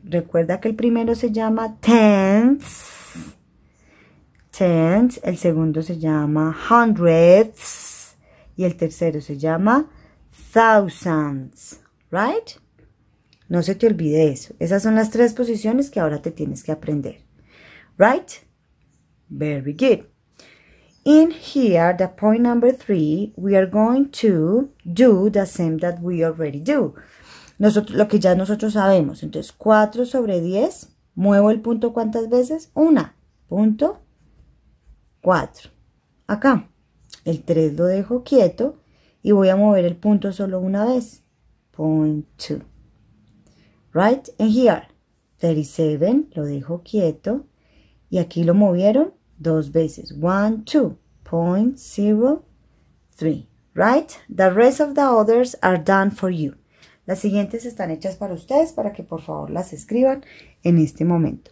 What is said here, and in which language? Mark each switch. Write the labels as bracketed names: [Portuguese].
[Spanish] Recuerda que el primero se llama tenths. Tenths. El segundo se llama hundredths. Y el tercero se llama thousands, right? No se te olvide eso. Esas son las tres posiciones que ahora te tienes que aprender, right? [English] Very good. In here, the point number 3, we are going to do the same that we already do. [Spanish] Nosotros, lo que ya nosotros sabemos. Entonces, 4 sobre 10, muevo el punto ¿cuántas veces? Una. Punto 4. Acá. El 3 lo dejo quieto y voy a mover el punto solo una vez. [English] Point 2. Right? And here, 37, lo dejo quieto. [Spanish] Y aquí lo movieron dos veces. 1, 2, 0, 3. Right? [English] The rest of the others are done for you. [Spanish] Las siguientes están hechas para ustedes para que por favor las escriban en este momento.